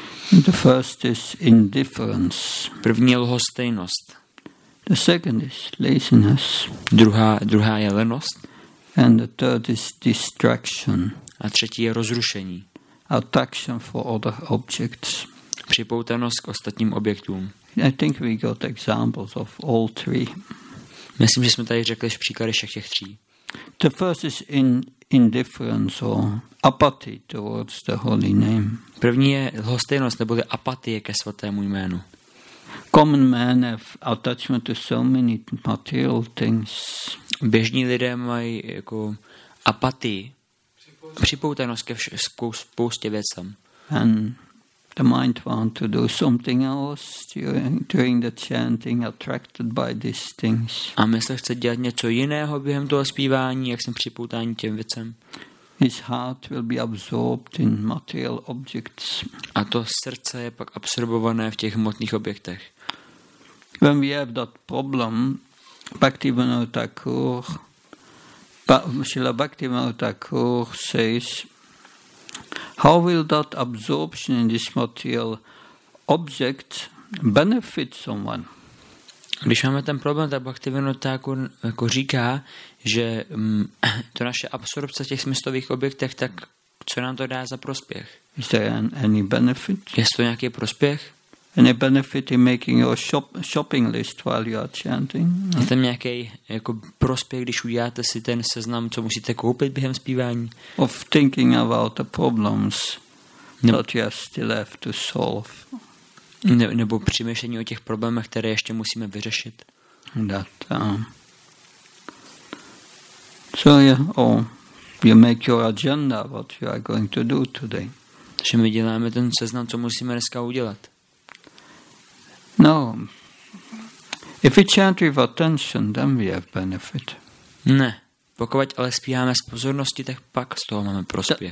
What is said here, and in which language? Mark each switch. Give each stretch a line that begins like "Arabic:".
English: The first is indifference.
Czech: První je lhostejnost.
English: The second is laziness.
Czech: Druhá je lenost.
English: And the third is distraction.
Czech: A třetí je rozrušení.
English: Attraction for other objects.
Czech: Připoutanost k ostatním objektům.
English: I think we got examples of all three.
Czech: Myslím, že jsme tady řekli příklady všech těch tří.
English: The first is indifference or apathy towards the holy name.
Czech: První je lhostejnost neboli apatie ke svatému jménu.
English: Common men have attachment to so many material things.
Czech: Běžní lidé mají jako apatii, připoutanost ke spoustě věcem.
English: And the mind want to do something else during the chanting, attracted by these things.
Czech: A mysl chce dělat něco jiného během toho zpívání, jak jsem připoutání těm věcem.
English: His heart will be absorbed in material objects.
Czech: A to srdce je pak absorbované v těch hmotných objektech.
English: When we have that problem, Bhaktivinoda Thakur, Srila Bhaktivinoda Thakur says, how will that absorption in this material object benefit someone?
Czech: Když máme ten problém, tak Bhaktivinoda Thakur jako říká, že to naše absorpce těch smyslových objektech, tak co nám to dá za prospěch?
English: Is there any benefit?
Czech: Je to nějaký prospěch?
English: Any benefit in making your shopping list while you are chanting?
Czech: Je tam nějaký jako prospěch, když uděláte si ten seznam, co musíte koupit během zpívání?
English: Of thinking about the problems that you are still have to solve.
Czech: Nebo přemýšlení o těch problémech, které ještě musíme vyřešit.
English: That, so yeah, or you make your agenda what you are going to do today.
Czech: Že my děláme ten seznam, co musíme dneska udělat.
English: No, if we chant with attention, then we have benefit.
Czech: Ne, pokud ale zpíváme s pozorností, tak pak z toho máme prospěch.